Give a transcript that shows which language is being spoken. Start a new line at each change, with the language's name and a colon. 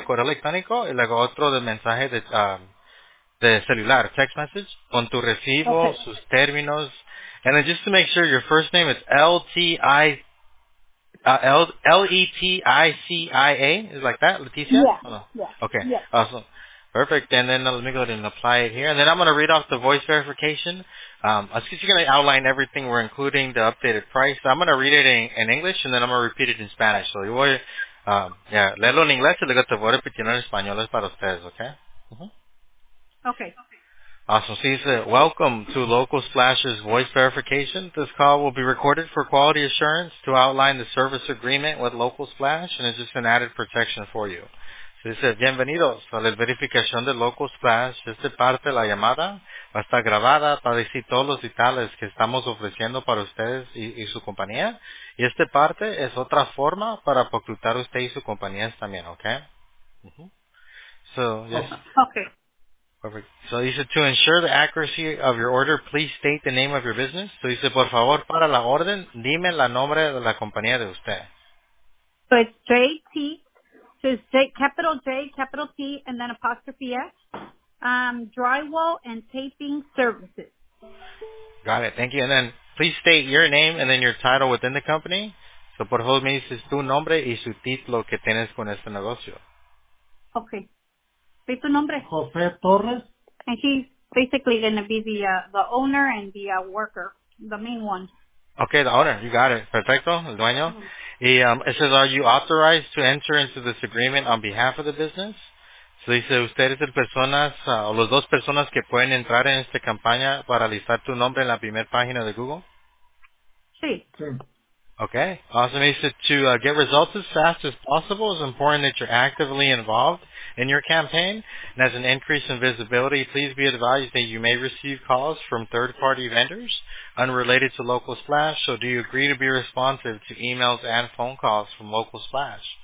Spanish: de correo electrónico, y luego otro de mensaje de celular,
English: text message,
Spanish: con tu recibo,
English: okay.
Spanish: sus términos.
English: And then just to make sure, your first name is Leticia, is like that, Leticia? Yeah, oh, no. yeah. Okay, yeah. Awesome. Perfect, and then let me go ahead and apply it here. And then I'm going to read off the voice verification. I'm just going to outline everything we're including, the updated price. So I'm going to read it in English, and then I'm going to repeat it in Spanish.
Spanish: So you voy leerlo en inglés, y luego te voy a repetir en español para ustedes, okay?
English: Mm-hmm. Okay. Awesome. She said, welcome to Local Splash's voice verification. This call will be recorded for quality assurance to outline the service agreement with Local Splash, and it's just an added protection for you. She said,
Spanish: bienvenidos a la verificación de Local Splash. Esta parte de la llamada va a estar grabada para decir todos los detalles que estamos ofreciendo para ustedes y su compañía. Y esta parte es otra forma para reclutar usted y su compañía también, okay?
English: Mm-hmm. So, yes. Okay. Perfect. So he said, to ensure the accuracy of your order, please state the name of your business. So he said,
Spanish: por favor, para la orden, dime la nombre de la compañía de usted.
English: So it's J-T, so it's J, capital J, capital T, and then apostrophe S, drywall and taping services. Got it. Thank you. And then please state your name and then your title within the company.
Spanish: So por favor, me dices tu nombre y su título que tienes con este negocio. Okay. ¿Qué es tu nombre? José Torres.
English: And he's basically going to be the owner and the worker, the main one. Okay, the owner. You got it.
Spanish: Perfecto, el dueño.
English: Mm-hmm. It says, are you authorized to enter into this agreement on behalf of the business? So he says,
Spanish: ustedes son personas, o los dos personas que pueden entrar en esta campaña para listar tu nombre en la primera página de Google? Sí. Sí.
English: Okay. Awesome. He said to get results as fast as possible, it's important that you're actively involved in your campaign. And as an increase in visibility, please be advised that you may receive calls from third-party vendors unrelated to Local Splash. So do you agree to be responsive to emails and phone calls from Local Splash?